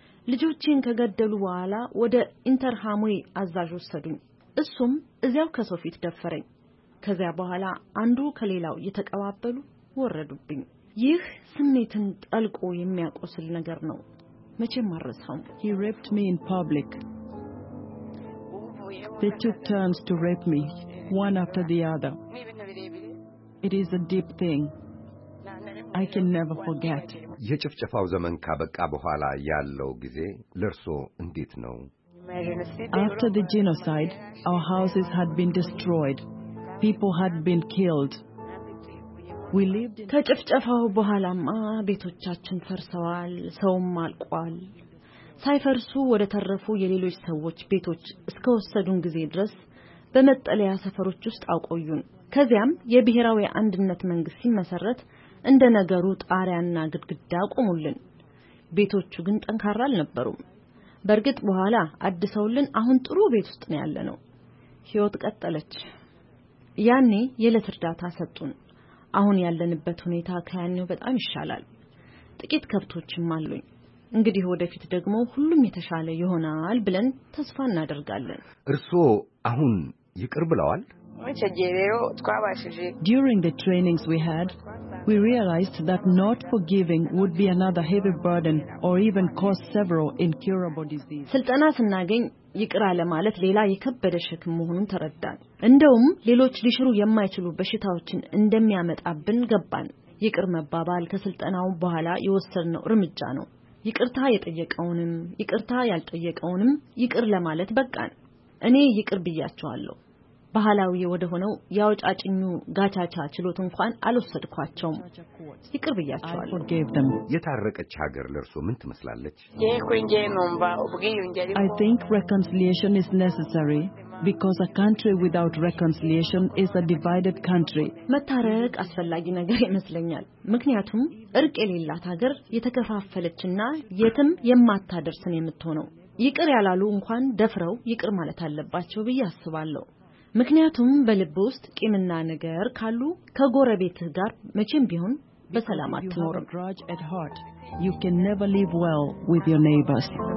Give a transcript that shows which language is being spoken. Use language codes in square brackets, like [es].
[am] ልጆቼን ከገደሉ በኋላ ወደ ኢንተርሃሞይ አዛዥ ወሰዱኝ። እሱም እዚያው ከሰው ፊት ደፈረኝ። ከዚያ በኋላ አንዱ ከሌላው እየተቀባበሉ ወረዱብኝ። ይህ ስሜትን ጠልቆ የሚያቆስል ነገር ነው። መቼም አረሳውም። [en] He raped me in public. They took turns to rape me, one after the other. It is a deep thing. I can never forget. [am] የጭፍጨፋው ዘመን ካበቃ በኋላ ያለው ጊዜ ለርሶ እንዴት ነው? [en] After the genocide, our houses had been destroyed. People had been killed. We lived in [am] ከጭፍጨፋው በኋላማ ቤቶቻችን ፈርሰዋል፣ ሰውም አልቋል። ሳይፈርሱ ወደ ተረፉ የሌሎች ሰዎች ቤቶች እስከወሰዱን ጊዜ ድረስ በመጠለያ ሰፈሮች ውስጥ አቆዩን። ከዚያም የብሔራዊ አንድነት መንግስት ሲመሰረት እንደ ነገሩ ጣሪያና ግድግዳ ቆሙልን። ቤቶቹ ግን ጠንካራ አልነበሩም። በርግጥ በኋላ አድሰውልን አሁን ጥሩ ቤት ውስጥ ነው ያለነው። ህይወት ቀጠለች። ያኔ የለት እርዳታ ሰጡን። አሁን ያለንበት ሁኔታ ከያኔው በጣም ይሻላል። ጥቂት ከብቶችም አሉኝ። እንግዲህ ወደፊት ደግሞ ሁሉም የተሻለ ይሆናል ብለን ተስፋ እናደርጋለን። እርሶ አሁን ይቅር ብለዋል? [en] During the trainings we had, we realized that not forgiving would be another heavy burden or even cause several incurable diseases. [am] ስልጠና ስናገኝ ይቅር አለ ማለት ሌላ የከበደ ሸክም መሆኑን ተረዳን። እንደውም ሌሎች ሊሽሩ የማይችሉ በሽታዎችን እንደሚያመጣብን ገባን። ይቅር መባባል ከስልጠናው በኋላ የወሰድነው ርምጃ ነው። ይቅርታ የጠየቀውንም ይቅርታ ያልጠየቀውንም ይቅር ለማለት በቃን። እኔ ይቅር ብያቸዋለሁ። ባህላዊ ወደ ሆነው ያውጫጭኙ ጋቻቻ ችሎት እንኳን አልወሰድኳቸውም። ይቅር ብያቸዋለሁ። የታረቀች ሀገር ለርሶ ምን ትመስላለች? [en] I think reconciliation is necessary because a country without reconciliation is a divided country. [am] መታረቅ አስፈላጊ ነገር ይመስለኛል። ምክንያቱም እርቅ የሌላት ሀገር የተከፋፈለችና የትም የማታደርስ ነው የምትሆነው። ይቅር ያላሉ እንኳን ደፍረው ይቅር ማለት አለባቸው ብዬ አስባለሁ። ምክንያቱም በልብ ውስጥ ቂምና ነገር ካሉ ከጎረቤትህ ጋር መቼም ቢሆን በሰላም አትኖርም። [en] You can never live well with your neighbors.